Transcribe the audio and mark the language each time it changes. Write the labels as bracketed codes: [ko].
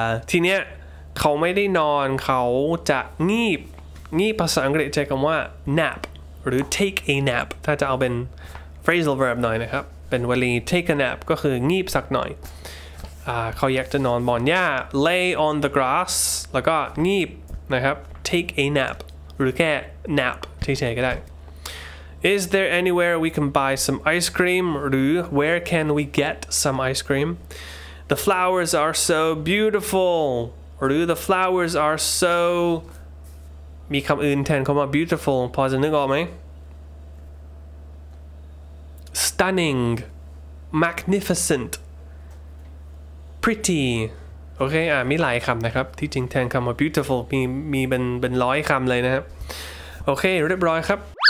[th] ทีเนี้ยเขาไม่ได้นอนเขาจะงีบภาษาอังกฤษใช้คำว่า nap หรือ take a nap ถ้าจะเอาเป็น phrasal verb หน่อยนะครับเป็นวลี take a nap ก็คืองีบสักหน่อยเขาอยากจะนอนบนหญ้า [en] lay on the grass [th] แล้วก็งีบนะครับ take a nap หรือแค่ nap เฉยๆก็ได้ [en] Is there anywhere we can buy some ice cream? [th] หรือ [en] Where can we get some ice cream? The flowers are so beautiful. [th] หรือ [en] The flowers are so... [th] มีคำอื่นแทนคำว่า beautiful. พอจะนึกออกไหม? [en] Stunning. Magnificent. Pretty. [th] โอเคมีหลายคำนะครับที่จริงแทนคำว่า beautiful มีเป็นร้อยคำเลยนะครับโอเคเรียบร้อยครับ